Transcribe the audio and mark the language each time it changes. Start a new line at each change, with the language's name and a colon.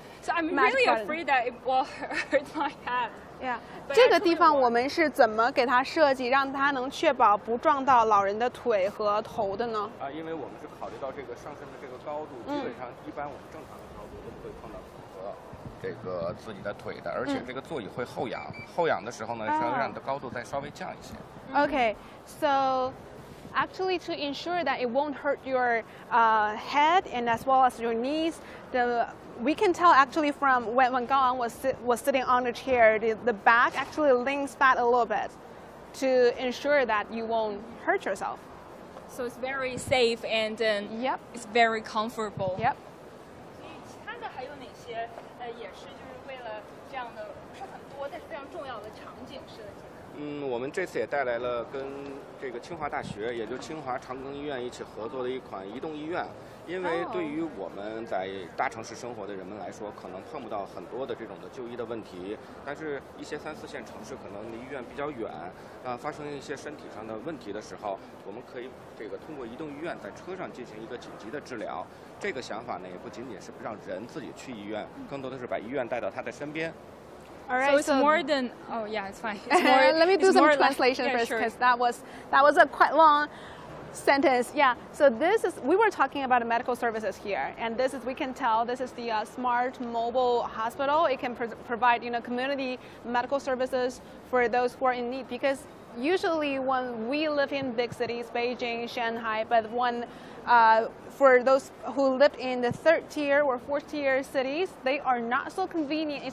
English: So I'm really afraid that it will hurt my head. Yeah.
Chinese: 这个地方我们是怎么给它设计，让它能确保不撞到老人的腿和头的呢？啊，因为我们是考虑到这个上身的这个高度，基本上一般我们正常的高度都不会碰到骨折。这个自己的腿的，而且这个座椅会后仰，后仰的时候呢，需要让你的高度再稍微降一些。
English: Okay, so. Actually, to ensure that it won't hurt your head and as well as your knees, we can tell actually from when Gao An was sitting on the chair, the back actually leans back a little bit to ensure that you won't hurt yourself. So it's very safe and it's very comfortable. Yep. So,
Chinese: 我们这次也带来了跟这个清华大学，也就清华长庚医院一起合作的一款移动医院。因为对于我们在大城市生活的人们来说，可能碰不到很多的这种的就医的问题，但是一些三四线城市可能离医院比较远，发生一些身体上的问题的时候，我们可以这个通过移动医院在车上进行一个紧急的治疗。这个想法呢，也不仅仅是让人自己去医院，更多的是把医院带到他的身边。
English: All right, so it's more than, oh yeah, it's fine. It's more, let me do some translation like, first, because yeah, sure. that was a quite long sentence. Yeah, so this is, we were talking about medical services here, and this is, we can tell, this is the smart mobile hospital. It can provide, you know, community medical services for those who are in need, because usually when we live in big cities, Beijing, Shanghai, but when, for those who lived in the third tier or fourth tier cities, they are not so convenient.